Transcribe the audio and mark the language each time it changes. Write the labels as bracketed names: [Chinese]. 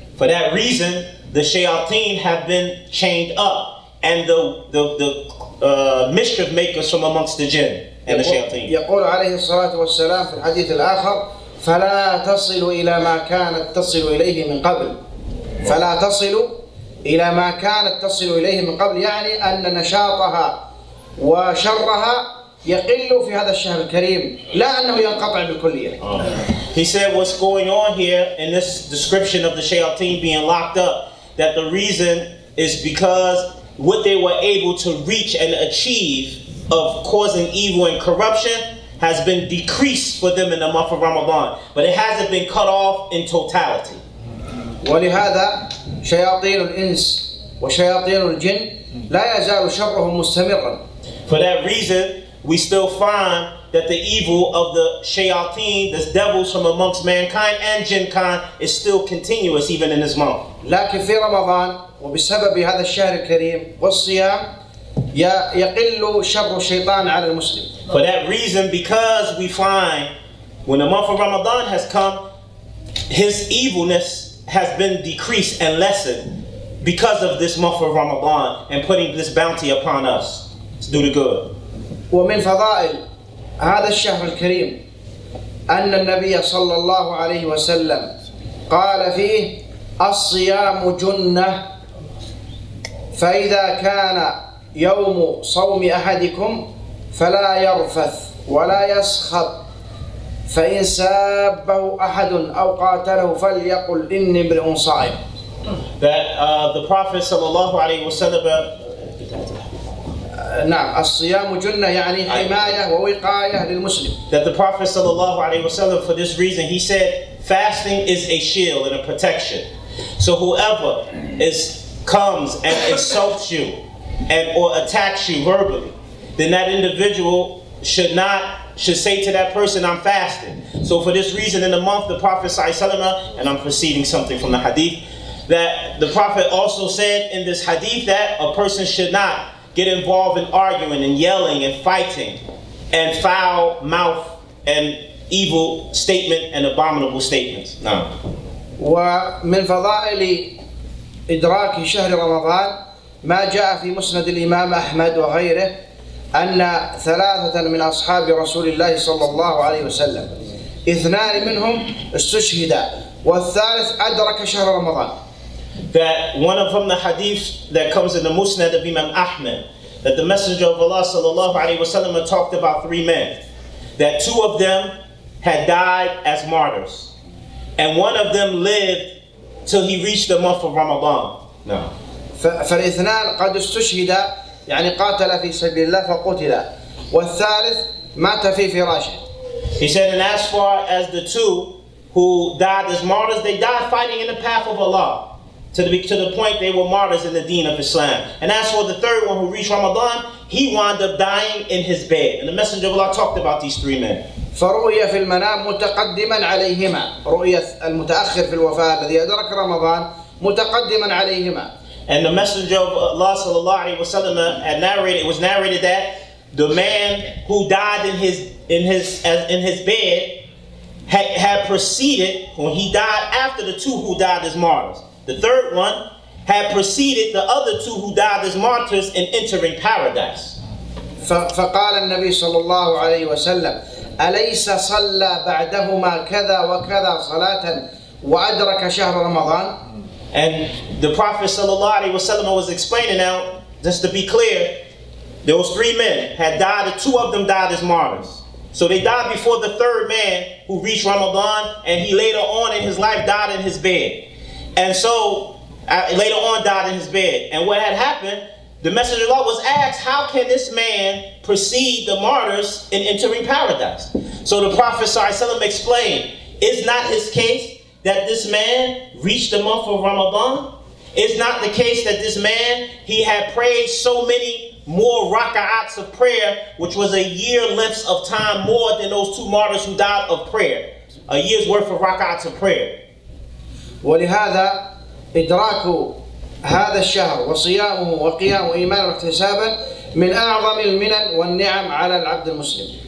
[English] For that reason, the shayateen have been chained up, and the mischief makers from amongst the jinn and the shayateen. [Arabic] يقول عليه الصلاة والسلام في الحديث الآخر فلا تصل إلى ما كانت تصل إليه من قبل. فلا تصل إلى ما كانت تصل إليه من قبل. يعني أن نشاطها وشرها يقل في هذا الشهر الكريم لا أنه ينقطع بالكلية. [English] He said what's going on here in this description of the shayateen being locked up, that the reason is because what they were able to reach and achieve of causing evil and corruption has been decreased for them in the month of Ramadan, but it hasn't been cut off in totality. [Arabic] ولهذا شياطين الإنس وشياطين الجن لا يزال شرهم مستمرا. [English] For that reason, we still find that the evil of the shayateen, the devils from amongst mankind and jinnkind, is still continuous even in this month. [Arabic] لكن في رمضان وبسبب هذا الشهر الكريم والصيام يقل شر الشيطان على المسلم. [English] For that reason, because we find when the month of Ramadan has come, his evilness has been decreased and lessened because of this month of Ramadan and putting this bounty upon us to do the good. [Arabic] ومن فضائل هذا الشهر الكريم أن النبي صلى الله عليه وسلم قال فيه الصيام جنة فإذا كان يوم صوم أحدكم فلا يرفث ولا يسخط فإن سابه أحد أو قاتله فليقل إني امرئ صائم. [English] That the Prophet [Arabic] صلى الله عليه وسلم نعم الصيام جنة يعني حماية ووقاية للمسلم. [English] That the Prophet [Arabic] صلى الله عليه وسلم, [English] for this reason, he said fasting is a shield and a protection. So whoever comes and insults you and or attacks you verbally, then that individual should say to that person, I'm fasting. So for this reason, in the month, the Prophet ﷺ, and I'm proceeding something from the hadith, that the Prophet also said in this hadith that a person should not get involved in arguing and yelling and fighting and foul mouth and evil statement and abominable statements. No. [Arabic] ومن فضائل إدراك شهر رمضان ما جاء في مسند الإمام أحمد وغيره أن ثلاثة من أصحاب رسول الله صلى الله عليه وسلم اثنان منهم استشهد والثالث أدرك شهر رمضان. [English] That one of them, the hadith that comes in the Musnad of Imam Ahmad, that the Messenger of Allah sallallahu alaihi wasallam talked about three men, that two of them had died as martyrs and one of them lived till he reached the month of Ramadan. No. [Arabic] فالاثنان قد استشهدا يعني قاتلا في سبيل الله فقتلا والثالث مات في فراشه. [English] He said, and as far as the two who died as martyrs, they died fighting in the path of Allah to the point they were martyrs in the deen of Islam. And as for the third one who reached Ramadan, he wound up dying in his bed. And the Messenger of Allah talked about these three men. [Arabic] فرؤية في المنام متقدما عليهما رؤية المتأخر في الوفاة الذي أدرك رمضان متقدما عليهما. [English] And the Messenger of Allah sallallahu alaihi wasallam had narrated, it was narrated that the man who died in his bed had preceded, when he died after the two who died as martyrs, the third one had preceded the other two who died as martyrs in entering paradise. [Arabic] فقال النبي صلى الله عليه وسلم أليس صلى بعدهما كذا وكذا صلاة وَأَدْرَكَ شَهْرَ رَمَضَانَ. [English] And the Prophet sallallahu alaihi wasallam was explaining now, just to be clear, those three men had died, two of them died as martyrs. So they died before the third man who reached Ramadan, and he later on in his life died in his bed. And so, later on died in his bed. And what had happened, the Messenger of Allah was asked, how can this man precede the martyrs in entering paradise? So the Prophet sallallahu alaihi wasallam explained, is not his case that this man reached the month of Ramadan? Is not the case that this man, he had prayed so many more raka'ats of prayer, which was a year length of time more than those two martyrs who died of prayer. A year's worth of raka'ats of prayer. [Arabic] ولهذا إدراك هذا الشهر وصيامه وقيامه وإيمانه واحتسابا من أعظم المنن والنعم على العبد المسلم.